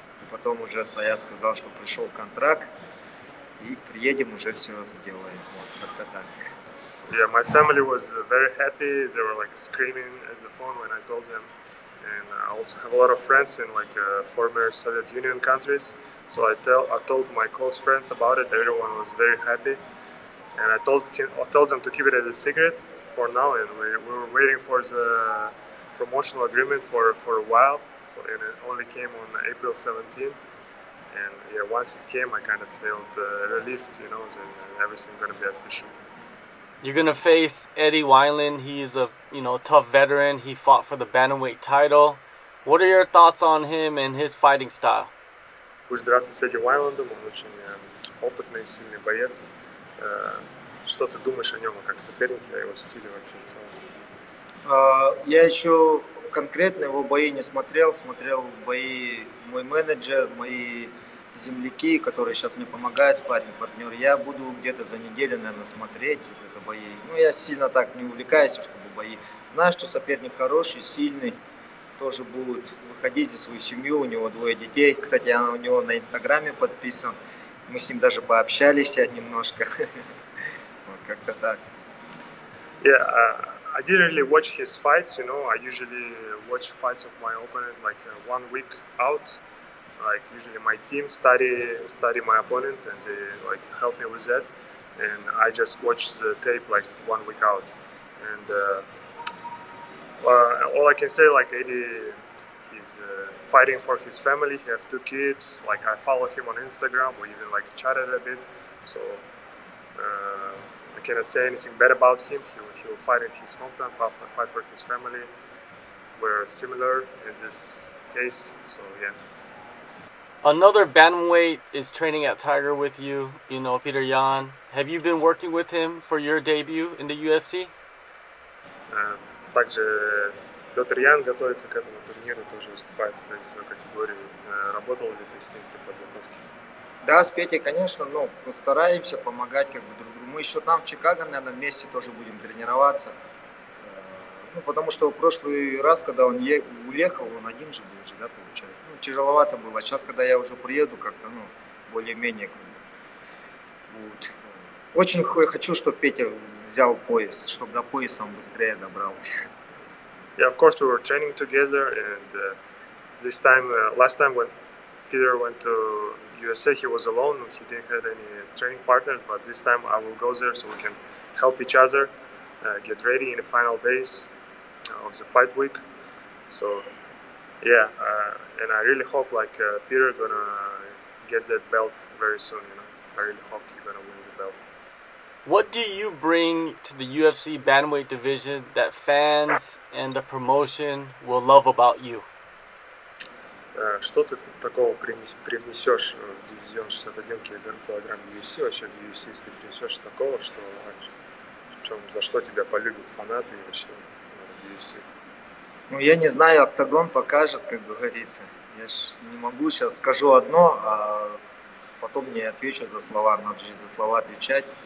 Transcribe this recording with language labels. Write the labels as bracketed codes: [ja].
[ru] Потом уже Саят сказал, что пришел контракт, и приедем, уже все сделаем. Вот, как-то так. [en] Yeah, my family was very happy. They were like screaming at the phone when I told them. And I also have a lot of friends in like former Soviet Union countries. So I told my close friends about it. Everyone was very happy. And I told them to keep it as a secret for now. And we were waiting for the promotional agreement for a while. So and it only came on April 17th, and yeah, once it came, I kind of felt relieved, you know, that everything's gonna be official. You're gonna face Eddie Wineland. He is a, you know, tough veteran. He fought for the bantamweight title. What are your thoughts on him and his fighting style? [ru] Будешь драться с Эдди Вайнлендом, он очень опытный, сильный боец. Что ты думаешь о нем как соперник, о его стиле вообще в целом? Я еще конкретно его бои не смотрел. Смотрел бои мой менеджер, мои земляки, которые сейчас мне помогают, спарринг партнер. Я буду где-то за неделю, наверное, смотреть вот это бои. Ну, я сильно так не увлекаюсь, чтобы бои. Знаю, что соперник хороший, сильный, тоже будет выходить за свою семью. У него двое детей. Кстати, я у него на Инстаграме подписан. Мы с ним даже пообщались немножко. Вот как-то так. [en] I didn't really watch his fights, you know. I usually watch fights of my opponent like 1 week out. Like usually my team study my opponent and they like help me with that. And I just watch the tape like 1 week out. And all I can say, like Eddie, he's fighting for his family. He have two kids. Like I follow him on Instagram. We even like chatted a bit. So I cannot say anything bad about him. He'll fight in his hometown, fight for his family. We're similar in this case, so yeah. Another bantamweight is training at Tiger with you, you know, Peter Yan. Have you been working with him for your debut in the UFC? [ru] Также Петр Ян готовится к этому турниру, тоже выступает в своей категории. Работал ли ты с ним при подготовке? Да, с Петей, конечно, но мы стараемся помогать как бы друг другу. Мы еще там, в Чикаго, наверное, вместе тоже будем тренироваться. Ну, потому что в прошлый раз, когда он уехал, он один же был, да, получается. Ну, тяжеловато было. Сейчас, когда я уже приеду, как-то, ну, более-менее. Как бы, вот. Очень хочу, чтобы Петя взял пояс, чтобы до пояса он быстрее добрался. [en] Yeah, of course, we were training together, and this time, last time when Peter went to USA, he was alone, he didn't have any training partners, but this time I will go there so we can help each other get ready in the final days of the fight week. So yeah, and I really hope like Peter gonna get that belt very soon, you know. I really hope he's gonna win the belt. What do you bring to the UFC bantamweight division that fans and the promotion will love about you? [ru] Что ты такого привнесешь в дивизион 61 килограмм UFC, вообще в UFC, если принесешь такого, что в чем, за что тебя полюбят фанаты вообще в UFC? Ну, я не знаю, октагон покажет, как говорится. Я ж не могу сейчас скажу одно, а потом не отвечу за слова, надо же за слова отвечать.